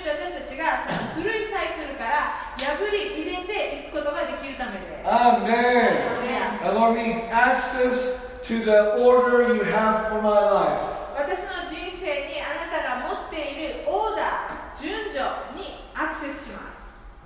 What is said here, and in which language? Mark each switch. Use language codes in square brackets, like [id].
[ja] って私たちがその古いサイクルから破り入れていくことができるためです。アメン。 [en] And Lord, we need access to the order you have for my life. [ja] 私の人生にあなたが持っているオーダー、順序にアクセスします。